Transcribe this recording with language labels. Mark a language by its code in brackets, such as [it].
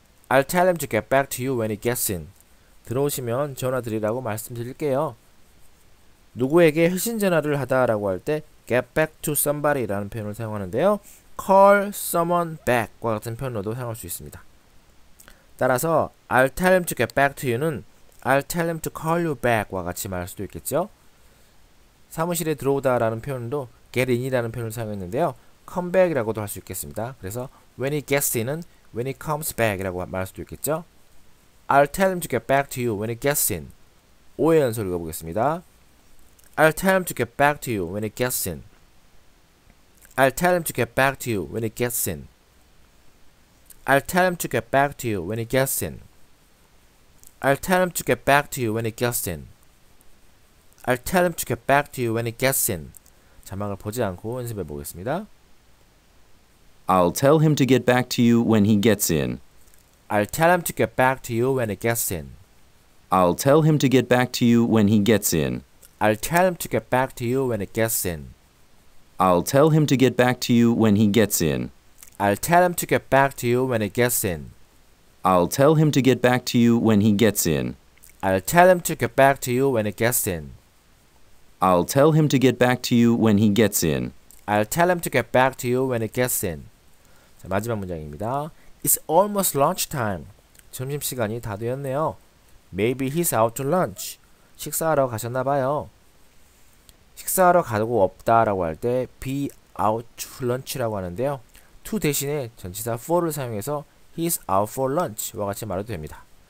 [en] I'll tell him to get back to you when he gets in. [ko] 들어오시면 전화 드리라고 말씀드릴게요. 누구에게 회신 전화를 하다라고 할 때 [en] get back to somebody [ko] 라는 표현을 사용하는데요. [en] call someone back [ko] 과 같은 표현으로도 사용할 수 있습니다. 따라서 [en] I'll tell him to get back to you [ko] 는 [en] I'll tell him to call you back [ko] 와 같이 말할 수도 있겠죠. 사무실에 들어오다라는 표현도 [en] get in [ko] 이라는 표현을 사용했는데요. [en] come back [ko] 이라고도 할 수 있겠습니다. 그래서 [en] when he gets in [ko] 은 [en] when he comes back [ko] 이라고 말할 수도 있겠죠. [en] I'll tell him to get back to you when he gets in. [ko] 5회 연속 읽어보겠습니다. [en] I'll tell him to get back to you when he gets in. I'll tell him to get back to you when he gets in. I'll tell him to get back to you when he gets in. I'll tell him to get back to you when he gets in. I'll tell him to get back to you when he gets in. [ko] 자막을 보지 않고 연습해 보겠습니다. [en] I'll tell him to get back to you when he gets in. I'll tell him to get back to you when he gets in. I'll tell him to get back to you when he gets in. I'll tell him to get back to you when he gets in. I'll tell him to get back to you when he gets in. I'll tell him to get back to you when he gets in. I'll tell him to get back to you when he gets in. I'll tell him to get back to you when he gets in. I'll tell him to get back to you when he gets in. I'll tell him to get back to you when he gets in. [ko] 자, 마지막 문장입니다. [en] It's almost lunch time. [ko] 점심 시간이 다 되었네요. [en] Maybe he's out to lunch. [ko] 식사하러 가셨나 봐요. 식사하러 가고 없다라고 할 때 [en] be out to lunch [ko] 라고 하는데요. to 대신에 전치사 for를 사용해서 [en] he's out for lunch [ko] 와 같이 말해도 됩니다.